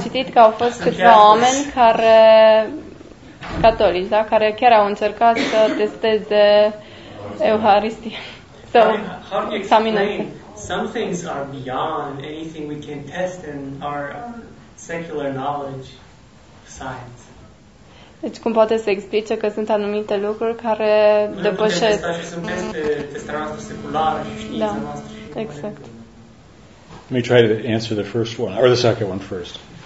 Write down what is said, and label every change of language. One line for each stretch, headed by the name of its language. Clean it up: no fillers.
Romanian: citit că au fost câțiva oameni care... catolici, da? Care chiar au încercat să testeze Euharistia.
English: So, how do you explain? Some things are beyond anything we can test in our secular knowledge of science.
Romanian: Deci cum poate să explice că sunt anumite lucruri care depășesc testarea noastră seculară și știința noastră și da, exact.
English: Let me try to answer the first one, or the second one first.